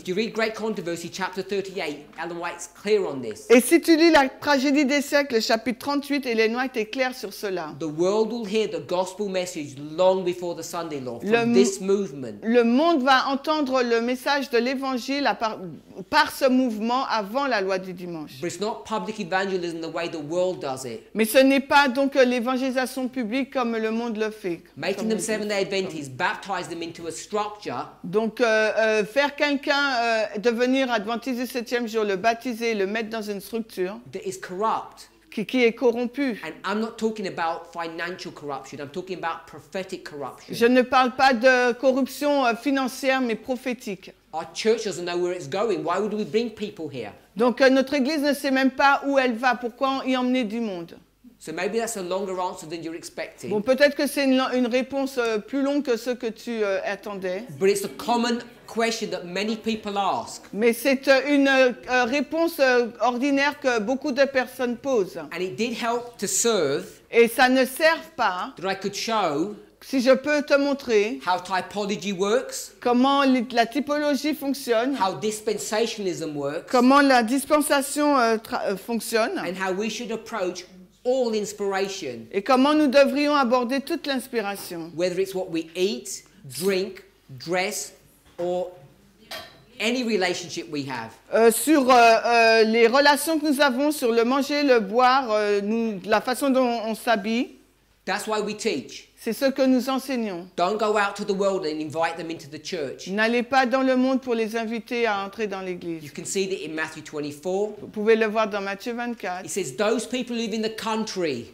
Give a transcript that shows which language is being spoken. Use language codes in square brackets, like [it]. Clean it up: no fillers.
[en] If you read Great Controversy, chapter 38, Ellen White's clear on this. [fr] Et si tu lis la tragédie des siècles, chapitre 38, Ellen White est claire sur cela. [en] The world will hear the gospel message long before the Sunday law from this movement. [fr] Le monde va entendre le message de l'évangile par ce mouvement avant la loi du dimanche. [en] But it's not public evangelism the way the world does it. [fr] Mais ce n'est pas donc l'évangélisation publique comme le monde le fait. [en] Making them Seventh-day Adventists, baptize them into a structure. [fr] Donc faire quelqu'un devenir adventiste du septième jour, le baptiser, le mettre dans une structure. [en] That is corrupt. [fr] Qui est corrompu. [en] And I'm not talking about financial corruption. I'm talking about prophetic corruption. [fr] Je ne parle pas de corruption financière, mais prophétique. [en] Our church doesn't know where it's going. Why would we bring people here? [fr] Donc notre église ne sait même pas où elle va. Pourquoi y emmener du monde? [en] So maybe that's a longer answer than you're expecting. [fr] Bon, peut-être que c'est une réponse plus longue que ce que tu attendais. [en] But it's a common question that many people ask. [fr] Mais c'est une réponse ordinaire que beaucoup de personnes posent. [en] And it did help to serve. [fr] Et ça ne sert pas. [en] That I could show. [fr] Si je peux te montrer [en] how typology works, [fr] comment la typologie fonctionne, [en] how dispensationalism works, [fr] comment la dispensation fonctionne, [en] and how we should approach all inspiration. [fr] Et comment nous devrions aborder toute l'inspiration. [en] Whether it's what we eat, drink, dress, or any relationship we have. [fr] Sur les relations que nous avons, sur le manger, le boire, la façon dont on s'habille. [en] That's why we teach. [fr] C'est ce que nous enseignons. [en] Don't go out to the world and invite them into the church. [fr] N'allez pas dans le monde pour les inviter à entrer dans l'église. [en] You can see that in Matthew 24. [fr] Vous pouvez le voir dans Matthieu 24. [en] It says those people who live in the country.